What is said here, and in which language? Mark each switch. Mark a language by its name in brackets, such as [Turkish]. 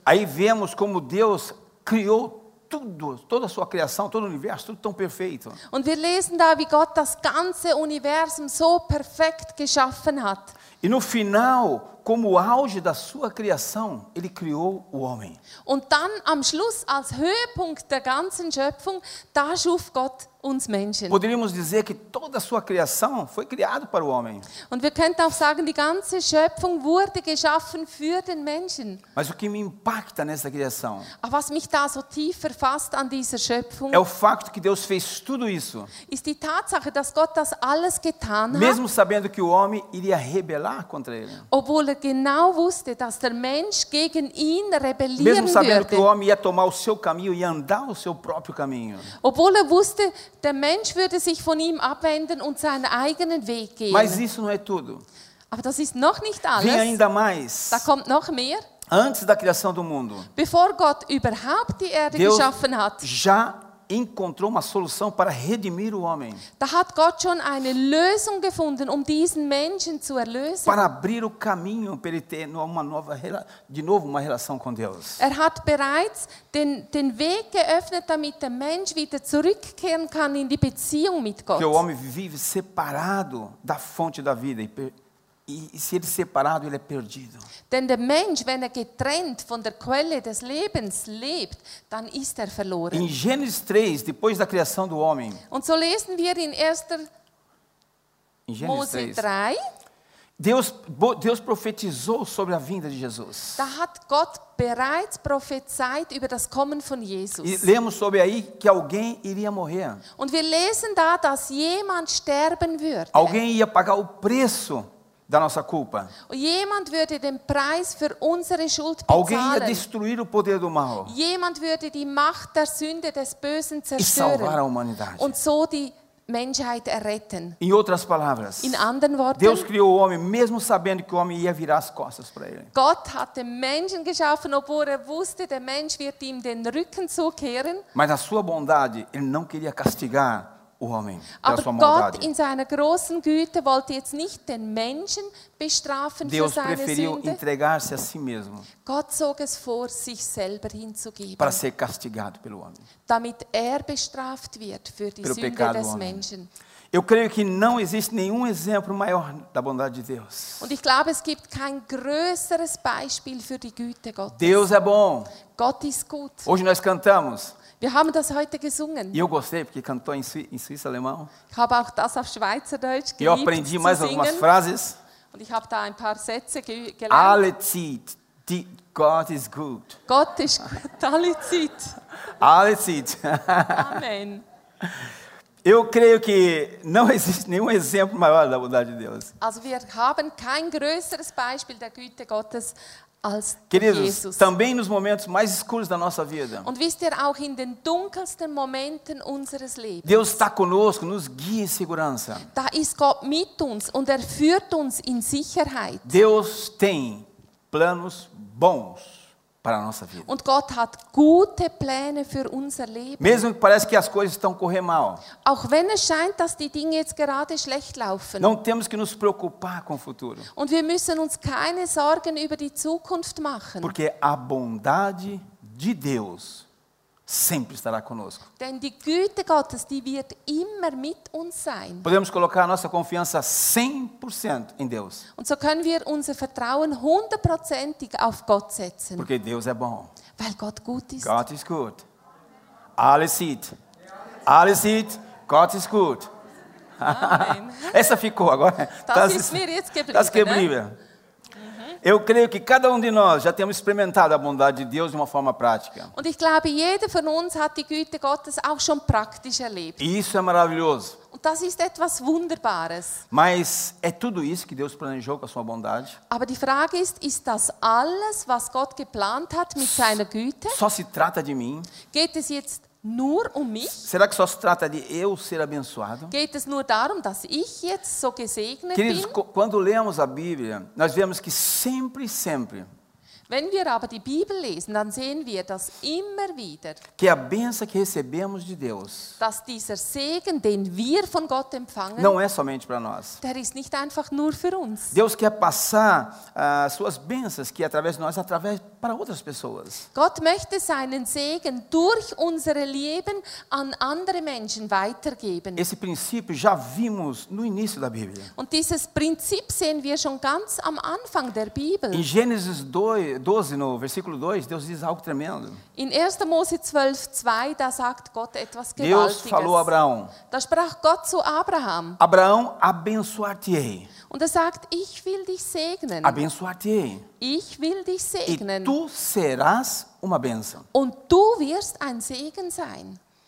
[Portuguese] Aí vemos como Deus criou tudo, toda a sua criação, todo o universo, tudo tão perfeito. [German] Und wir lesen da, wie Gott das ganze Universum so perfekt geschaffen hat. [Portuguese] E no final, como auge da sua criação, ele criou o homem. [German] Und dann am Schluss als Höhepunkt der ganzen Schöpfung, da schuf Gott uns Menschen. [Portuguese] Poderíamos dizer que toda a sua criação foi criada para o homem. [German] Und wir könnten auch sagen, die ganze Schöpfung wurde geschaffen für den Menschen. [Portuguese] Mas o que me impacta nessa criação? [German] Aber was mich da so tief verfasst an dieser Schöpfung? [Portuguese] É o fato que Deus fez tudo isso. [German] Ist die Tatsache, dass Gott das alles getan hat. [Portuguese] Mesmo sabendo que o homem iria rebelar contra ele. [German] Obwohl er genau wusste, dass der Mensch gegen ihn rebellieren würde. [Portuguese] Mesmo sabendo que o homem ia tomar o seu caminho e andar o seu próprio caminho. [German] Obwohl er wusste, der Mensch würde sich von ihm abwenden und seinen eigenen Weg gehen. [Portuguese] Mas isso não é tudo. [German] Aber das ist noch nicht alles. [Portuguese] Vem ainda mais. [German] Da kommt noch mehr. [Portuguese] Antes da criação do mundo. [German] Bevor Gott überhaupt die Erde [Portuguese] Deus [German] geschaffen hat. [Portuguese] Já encontrou uma solução para redimir o homem. [German] Da hat Gott schon eine Lösung gefunden, diesen Menschen zu erlösen. [Portuguese] Para abrir o caminho para ele ter uma nova, de novo uma relação com Deus. [German] Er hat bereits den Weg geöffnet, damit der Mensch wieder zurückkehren kann in die Beziehung mit Gott. [Portuguese] Que o homem vive separado da fonte da vida e se ele separado, ele é perdido. [German] Denn der Mensch, wenn er getrennt von der Quelle des Lebens lebt, dann ist er verloren. [Portuguese] Em Gênesis 3, depois da criação do homem. [German] Und so lesen wir in 1. Mose 3. [Portuguese] Deus profetizou sobre a vinda de Jesus. [German] Da hat Gott bereits prophezeit über das Kommen von Jesus. [Portuguese] E lemos sobre aí que alguém iria morrer. [German] Und wir lesen da, dass jemand sterben würde. [Portuguese] Alguém ia pagar o preço da nossa culpa. [German] Jemand würde den Preis für unsere Schuld bezahlen. [Portuguese] Alguém ia destruir o poder do mal. [German] Jemand würde die Macht der Sünde des Bösen zerstören. [Portuguese] E salvar a humanidade. [German] Und so die Menschheit erretten. [Portuguese] Em outras palavras. [German] In anderen Worten. [Portuguese] Deus criou o homem mesmo sabendo que o homem ia virar as costas para ele. [German] Gott hat den Menschen geschaffen, obwohl er wusste, der Mensch wird ihm den Rücken zukehren. [Portuguese] Mas na sua bondade, ele não queria castigar o homem, [German] aber Gott in seiner großen Güte wollte jetzt nicht den Menschen bestrafen [Portuguese] Deus [German] für seine Sünde. [Portuguese] Entregar-se a si mesmo. [German] Gott zog es vor, sich selber hinzugeben. [Portuguese] Para ser castigado pelo homem. [German] Damit er bestraft wird für die [Portuguese] pelo [German] Sünde [Portuguese] pecado [German] des [Portuguese] do homem. [German] Menschen. [Portuguese] Eu creio que não existe nenhum exemplo maior da bondade de Deus. [German] Und ich glaube, es gibt kein größeres Beispiel für die Güte Gottes. [Portuguese] Deus é bom. [German] Gott ist gut. [Portuguese] Hoje nós cantamos. [German] Wir haben das heute gesungen. [Portuguese] E eu gostei porque cantou em suíço alemão. [German] Ich habe auch das auf Schweizerdeutsch geliebt. [Portuguese] Eu aprendi mais algumas frases. [German] Und ich habe da ein paar Sätze gelernt. Alle Zeit, [English] God is good. [German] Gott ist gut. Alle Zeit. Alle Zeit. Amen. [Portuguese] Eu creio que não existe nenhum exemplo maior da bondade de Deus. [German] Also wir haben kein größeres Beispiel der Güte Gottes als [Portuguese] queridos, [German] Jesus. [Portuguese] Também nos momentos mais escuros da nossa vida. [German] Und wisst ihr, auch in den dunkelsten Momenten unseres Lebens. [Portuguese] Deus está conosco, nos guia em segurança. [German] Da ist Gott mit uns und er führt uns in Sicherheit. [Portuguese] Deus tem planos bons para a nossa vida. [German] Und Gott hat gute Pläne für unser Leben. [Portuguese] Mesmo que parece que as coisas estão correndo mal. [German] Auch wenn es scheint, dass die Dinge jetzt gerade schlecht laufen. [Portuguese] Não temos que nos preocupar com o futuro. [German] Und wir müssen uns keine Sorgen über die Zukunft machen. [Portuguese] Porque a bondade de Deus sempre estará conosco. [German] Denn die Güte Gottes, die wird immer mit uns sein. [Portuguese] Podemos colocar a nossa confiança 100% em Deus. [German] Und so können wir unser Vertrauen hundertprozentig auf Gott setzen. [Portuguese] Porque Deus é bom. [German] Weil Gott gut ist. Gott ist gut. Alles sieht. Alles sieht. Gott ist gut. Amen. [Portuguese] Essa ficou agora. [German] Das ist mir jetzt geblieben. Das geblieben. [Portuguese] Eu creio que cada de nós já temos experimentado a bondade de Deus de uma forma prática. [German] Und ich glaube, jeder von uns hat die Güte Gottes auch schon praktisch erlebt. [Portuguese] Isso é maravilhoso. [German] Und das ist etwas Wunderbares. [Portuguese] Mas é tudo isso que Deus planejou com a sua bondade? [German] Aber die Frage ist, ist das alles, was Gott geplant hat mit seiner Güte? [Portuguese] Só se trata de mim? [German] Geht es jetzt nur mich? [Portuguese] Será que só se trata de eu ser abençoado? [German] Geht es nur darum, dass ich jetzt so gesegnet [Portuguese] queridos, [German] bin? [Portuguese] Quando lemos a Bíblia, nós vemos que sempre, sempre. [German] Wenn wir aber die Bibel lesen, dann sehen wir das immer wieder. [Portuguese] Que a bênção que recebemos de Deus. [German] Dass dieser Segen, den wir von Gott empfangen. [Portuguese] Não é somente para nós. [German] Der ist nicht einfach nur für uns. [Portuguese] Deus quer passar suas bênçãos que através de nós, através para outras pessoas. [German] Gott möchte seinen Segen durch unsere Leben an andere Menschen weitergeben. [Portuguese] Esse princípio já vimos no início da Bíblia. [German] Und dieses Prinzip sehen wir schon ganz am Anfang der Bibel. [Portuguese] Em Gênesis 12, no versículo 2, Deus diz algo tremendo. [German] In 1. Mose 12, 2, da sagt Gott etwas Gewaltiges. [Portuguese] Deus falou a Abraão. [German] Da sprach Gott zu Abraham. [Portuguese] Abraão, abençoar-te-ei. [German] Und er sagt, ich will dich segnen. [Portuguese] Abençoar-te-ei. [German] Ich will dich segnen. [Portuguese] E tu serás uma bênção. [German] Und du wirst ein Segen sein.